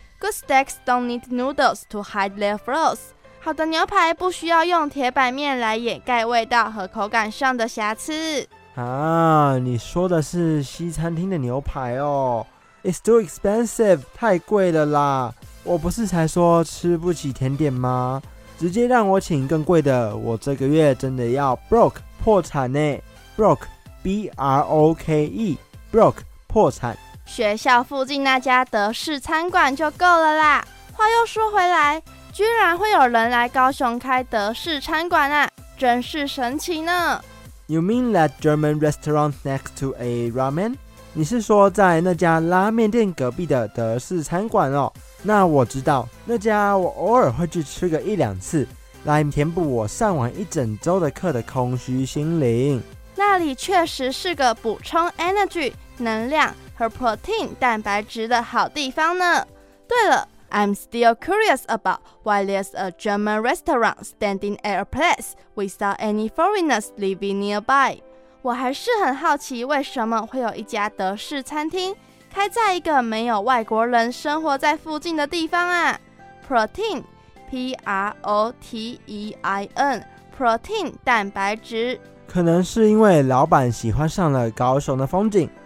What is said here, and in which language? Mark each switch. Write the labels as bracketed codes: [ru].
[en] Good steaks don't need noodles to hide their flaws. [zh] 好的牛排不需要用铁板面来掩盖味道和口感上的瑕疵。啊，你说的是西餐厅的牛排哦。 [en] It's too expensive, [zh] 太贵了啦。我不是才说吃不起甜点吗？直接让我请更贵的，我这个月真的要 [en] broke, [zh] 破产耶。 [en] Broke, B-R-O-K-E, broke, [zh] 破产。学校附近那家德式餐馆就够了啦。话又说回来，居然会有人来高雄开德式餐馆啊，真是神奇呢。 [en] You mean that German restaurant next to a ramen? [zh] 你是说在那家拉面店隔壁的德式餐馆哦？那我知道，那家我偶尔会去吃个一两次，来填补我上完一整周的课的空虚心灵。那里确实是个补充 energy 能量和 protein 蛋白质的好地方呢。对了， [en] I'm still curious about why there's a German restaurant standing at a place without any foreigners living nearby. [zh] 我还是很好奇为什么会有一家德式餐厅开在一个没有外国人生活在附近的地方啊。 [en] Protein P-R-O-T-E-I-N protein [zh] 蛋白质，可能是因为老板喜欢上了高雄的风景。